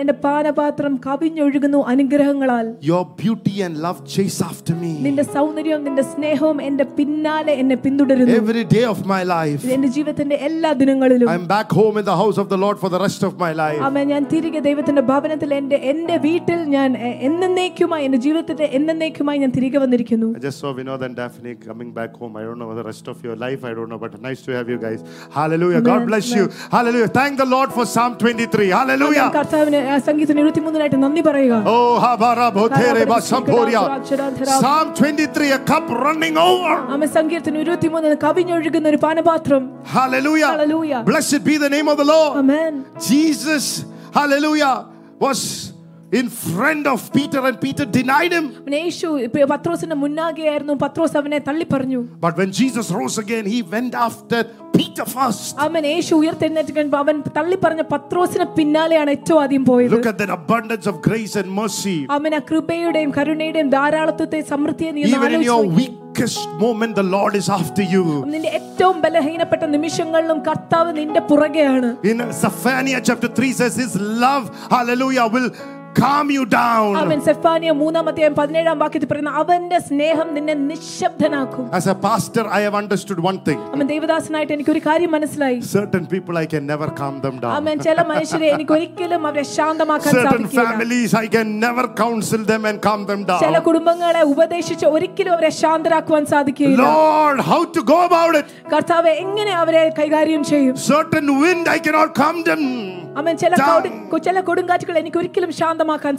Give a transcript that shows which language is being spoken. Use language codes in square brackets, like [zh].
[ml] എന്റെ പാനപാത്രം കവിഞ്ഞൊഴുകുന്നു അനുഗ്രഹങ്ങളാൽ. [en] Your beauty and love chase after me. [ml] നിന്റെ സൗന്ദര്യവും നിന്റെ സ്നേഹവും എന്റെ പിന്നാലെ എന്നെ പിന്തുടരുന്നു. [en] Every day of my life. [ml] എന്റെ ജീവിതത്തിന്റെ എല്ലാ ദിനങ്ങളിലും. [en] I'm back home in the house of the Lord for the rest of my life. Amen. [ml] ഞാൻ തിരികെ ദൈവത്തിന്റെ ഭവനത്തിൽ എന്റെ വീട്ടിൽ ഞാൻ എന്നേക്കുമായി എന്റെ ജീവിതത്തിന്റെ എന്നേക്കുമായി ഞാൻ തിരികെ വന്നിരിക്കുന്നു. [en] I just saw Vinod and Daphne coming back home. I don't know the rest of your life, I don't know, but nice to have you guys. Hallelujah. Amen. God bless Amen. You hallelujah. Thank the Lord for Psalm 23. Hallelujah. [ml] കർത്താവിനെ സംഗീതം 23 ആയിട്ട് നന്ദി പറയുക. ഓ ഹാ ബാരാ ബോതേരെ ബാ സംപോരിയ. [en] Psalm 23, a cup running over. [ml] അമേ സംഗീതം 23 കവിഞ്ഞൊഴുകുന്ന ഒരു പാനപാത്രം. [en] Hallelujah. Hallelujah. Blessed be the name of the Lord. Amen. Jesus, hallelujah, was in front of Peter and Peter denied him. [ml] യേശു പത്രോസിനെ മുന്നാകെയായിരുന്നു. പത്രോസ് അവനെ തള്ളി പറഞ്ഞു. [en] But when Jesus rose again, he went after Peter first. [ml] അമേൻ. യേശു ഉയർത്തെഴുന്നേറ്റപ്പോൾ അവൻ തള്ളി പറഞ്ഞ പത്രോസിനെ പിന്നാലെയാണ് ഏറ്റവും ആദ്യം പോയത്. [en] Look at the abundance of grace and mercy. [ml] അമേൻ. ആ കൃപയുടെയും കരുണയുടെയും ധാരാളത്വത്തെ സമൃദ്ധിയെ നീ ആലോചിക്കുക. [en] This moment the Lord is after you. [ml] നിന്റെ ഏറ്റവും ബലഹീനപ്പെട്ട നിമിഷങ്ങളിലും കർത്താവ് നിന്റെ പുറകെയാണ്. [en] In Zephaniah chapter 3 says his love, hallelujah, will calm you down. [ml] അമേൻ. സെഫാനിയാ 3-ാമത്തെ 17-ാം വാക്യത്തിൽ പറയുന്നു അവന്റെ സ്നേഹം നിന്നെ നിശബ്ദനാക്കും. [en] As a pastor I have understood one thing. [ml] അമേൻ. ദൈവദാസനായിട്ട് എനിക്ക് ഒരു കാര്യം മനസ്സിലായി. [en] Certain people I can never calm them down. [ml] അമേൻ. ചില മനുഷ്യരെ എനിക്ക് ഒരിക്കലും അവരെ ശാന്തമാക്കാൻ സാധിക്കില്ല. [en] Certain families I can never counsel them and calm them down. [ml] ചില കുടുംബങ്ങളെ ഉപദേശിച്ച് ഒരിക്കലും അവരെ ശാന്തരാക്കാൻ സാധിക്കില്ല. [en] Lord, how to go about it? [ml] കർത്താവേ എങ്ങനെ അവരെ കൈകാര്യം ചെയ്യും? [en] Certain wind I cannot calm them. [ml] അമേൻ. ചില കൊടുങ്കാറ്റുകൾ എനിക്ക് ഒരിക്കലും ശാന്തമാക്കാൻ